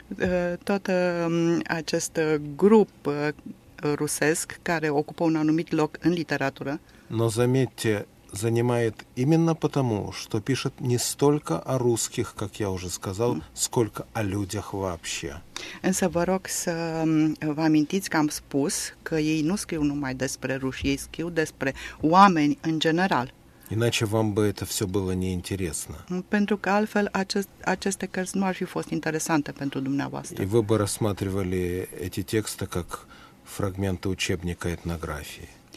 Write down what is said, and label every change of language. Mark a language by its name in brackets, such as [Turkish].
[Romanian] Tot acest grup rusesc care ocupă un anumit loc în literatură. [Russian] Но заметьте, занимает именно потому, что пишет не столько о русских, как я уже сказал, сколько о людях вообще. [Romanian] Însă vă rog să vă amintiți că am spus că ei nu scriu numai despre ruși, ei scriu despre oameni în general. [Russian] Иначе вам бы это все было неинтересно. [Romanian] Pentru că altfel aceste cărți nu ar fi fost interesante pentru dumneavoastră. [Russian] И вы бы рассматривали эти тексты как фрагменты учебника этнографии.